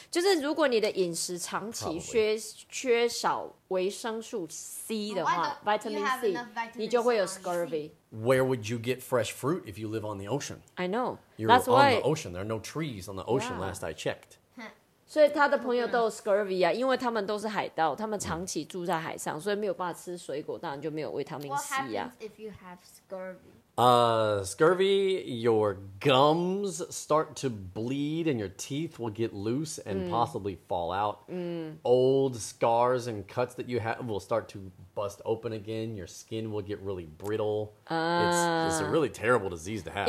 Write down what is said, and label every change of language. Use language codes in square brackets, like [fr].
[zh] 就是如果你的饮食长期 缺少维生素 C 的话 [en] vitamin [zh] C, 你就会有 scurvy。 [en] Where would you get fresh fruit if you live on the ocean? I know. You're That's on why... the ocean. There are no trees on the ocean, yeah. last I checked. [zh] 所以他的朋友都有 scurvy 啊，因为他们都是海盗，他们长期住在海上，所以没有办法吃水果，当然就没有维他命 C 啊。 [en] What happens if you have scurvy? Scurvy, your gums start to bleed and your teeth will get loose and possibly fall out. Old scars and cuts that you have will start to bust open again. Your skin will get really brittle. It's a really terrible disease to have.